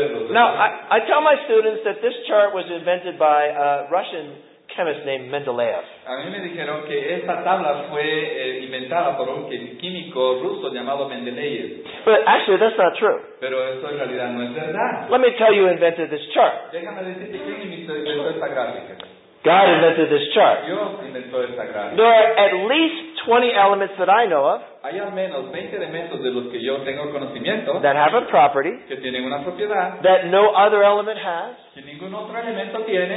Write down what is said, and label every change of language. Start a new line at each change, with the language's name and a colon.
English: Now, I tell my students that this chart was invented by a Russian chemist named Mendeleev.
Spanish: A mí me dijeron que esta tabla fue inventada por un químico ruso llamado Mendeleev.
English: But actually, that's not true.
Spanish: Pero eso en realidad no es verdad.
English: Let me tell you who invented this chart.
Spanish: Déjame decirte quién inventó esta gráfica.
English: God invented this chart.
Spanish: Dios inventó esta gráfica.
English: There are at least 20 elements that I know of.
Spanish: Hay al menos 20 elementos de los que yo tengo conocimiento.
English: That have a property.
Spanish: Que tienen una propiedad.
English: That no other element has.
Spanish: Que ningún otro elemento tiene.